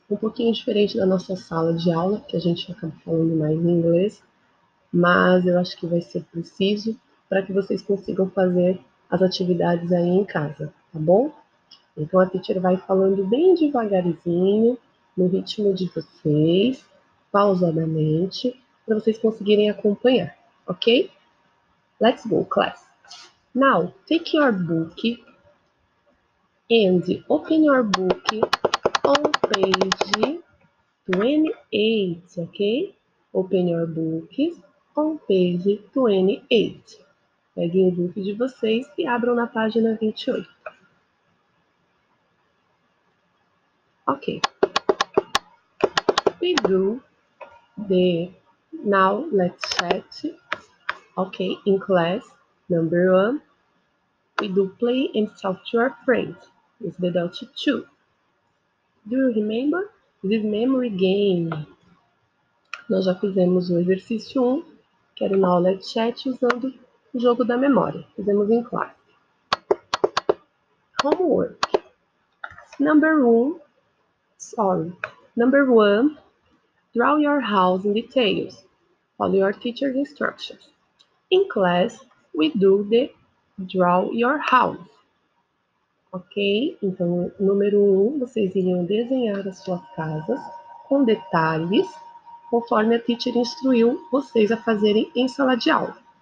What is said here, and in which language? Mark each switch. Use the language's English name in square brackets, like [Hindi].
[Portuguese] Um pouquinho diferente da nossa sala de aula, que a gente acaba falando mais em inglês, mas eu acho que vai ser preciso para que vocês consigam fazer as atividades aí em casa, tá bom? Então, a teacher vai falando bem devagarzinho, no ritmo de vocês, pausadamente, para vocês conseguirem acompanhar, ok? [English] Let's go, class. Now, take your book and open your book on page 28, okay? Open your books on page 28. [Portuguese] Peguem o book de vocês e abram na página 28. [English] Okay. We do the... Now, let's chat. Okay, in class, number one, we do play and talk to our friends. It's the Delta 2. Do you remember this memory game? [Portuguese] Nós já fizemos o exercício 1, que era na aula de chat, usando o jogo da memória. Fizemos em class. [English] Homework. Number one, draw your house in details. Follow your teacher's instructions. In class, we do the draw your house. Ok? [Portuguese] Então, número 1, vocês iriam desenhar as suas casas com detalhes, conforme a teacher instruiu vocês a fazerem em sala de aula.